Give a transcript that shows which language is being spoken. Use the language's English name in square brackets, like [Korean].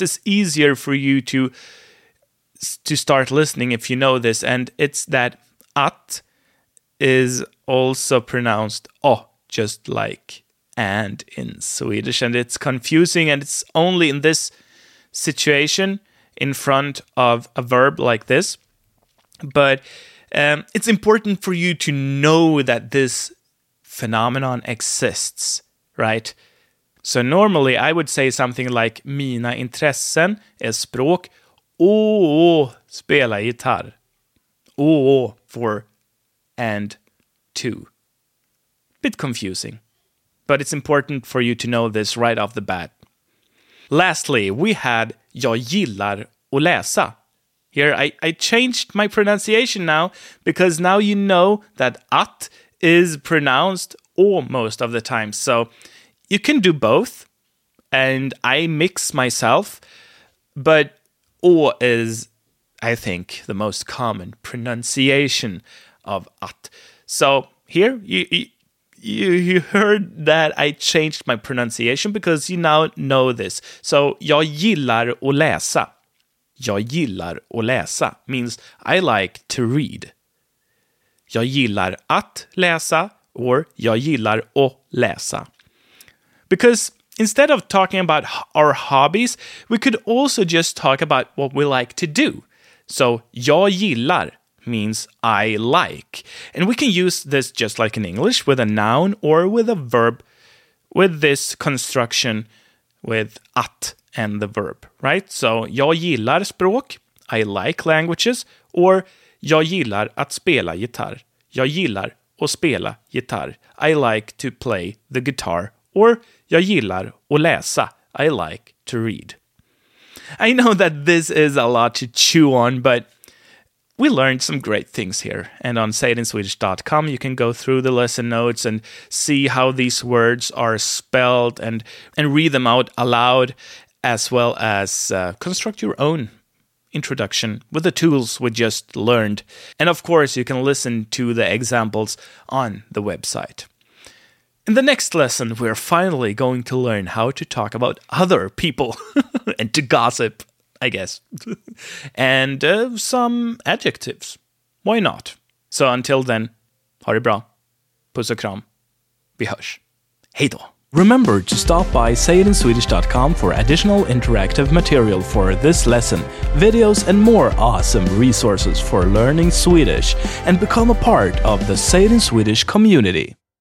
[English] It's easier for you to start listening if you know this, and it's that att is also pronounced å, just like and in Swedish, and it's confusing, and it's only in this situation in front of a verb like this. But it's important for you to know that this phenomenon exists, right? So normally I would say something like [Swedish] mina intressen är språk och spela gitarr. [English] Och for and to. Bit confusing, but it's important for you to know this right off the bat. Lastly, we had [Swedish] jag gillar att läsa. [English] Here, I changed my pronunciation now, because now you know that att is pronounced almost of the time. So you can do both, and I mix myself, but å is, I think, the most common pronunciation of att. So here, you heard that I changed my pronunciation because you now know this. [Swedish] So jag gillar att läsa. Jag gillar att läsa [English] means I like to read. [Swedish] Jag gillar att läsa or jag gillar att läsa. [English] Because instead of talking about our hobbies, we could also just talk about what we like to do. So [Swedish] jag gillar [English] means I like. And we can use this just like in English with a noun or with a verb with this construction with att and the verb, right? [Swedish] So, jag gillar språk, [English] I like languages, [Swedish] or jag gillar att spela gitarr. Jag gillar att spela gitarr. [English] I like to play the guitar, or [Swedish] jag gillar att läsa. [English] I like to read. I know that this is a lot to chew on, but we learned some great things here. And on sayitinswedish.com, you can go through the lesson notes and see how these words are spelled and read them out aloud, as well as construct your own introduction with the tools we just learned. And of course, you can listen to the examples on the website. In the next lesson, we're finally going to learn how to talk about other people and to gossip, I guess, and some adjectives. Why not? So until then, [Swedish] ha det bra, puss och kram, vi hörs, hej då! [English] Remember to stop by sayitinswedish.com for additional interactive material for this lesson, videos and more awesome resources for learning Swedish, and become a part of the Say It in Swedish community.